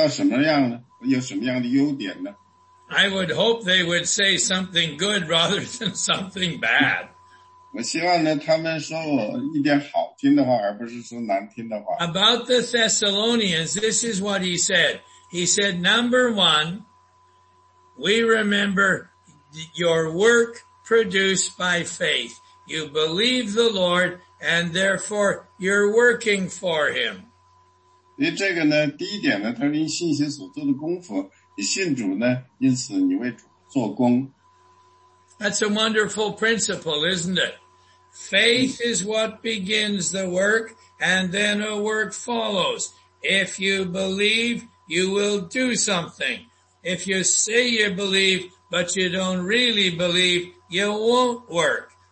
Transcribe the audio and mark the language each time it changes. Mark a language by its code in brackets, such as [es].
[zh] 有时候呢，我在想呢，如果一个人他提到我，他会提到什么样呢？我有什么样的优点呢？ [en] I would hope they would say something good rather than something bad. [zh] 我希望呢，他们说我一点好听的话，而不是说难听的话。 [en] About the Thessalonians, this is what he said. He said, number one, we remember your work produced by faith. You believe the Lord, and therefore you're working for him. [zh] 这个呢，第一点呢，他是因信心所做的功夫。信主呢，因此你为主做工。 [en] That's a wonderful principle, isn't it? Faith is what begins the work, and then a work follows. If you believe, you will do something. If you say you believe, but you don't really believe, you won't work.